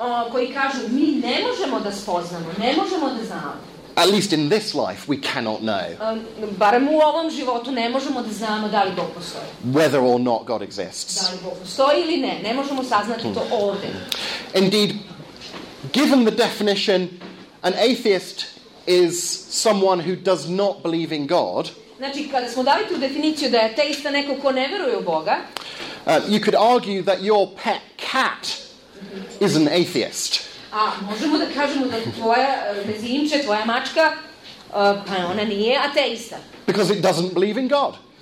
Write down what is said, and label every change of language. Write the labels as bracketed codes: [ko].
[sr] Koji kažu, mi ne možemo da spoznamo, ne možemo da znamo. [en] At least in this life, we cannot know. [sr] Barem u ovom životu ne možemo da znamo da li Bog postoji. [en] Whether or not God exists. [sr] Da li Bog postoji ili ne, ne možemo saznati to ovde. [en] Indeed, given the definition, an atheist is someone who does not believe in God. [sr] Znači, kada smo dali tu definiciju da je ateista neko ko ne veruje u Boga. [en] You could argue that your pet cat is an atheist. [sr] Možemo da kažemo da tvoja bezimče, tvoja mačka, pa ona nije ateista. [en] Because it doesn't believe in God.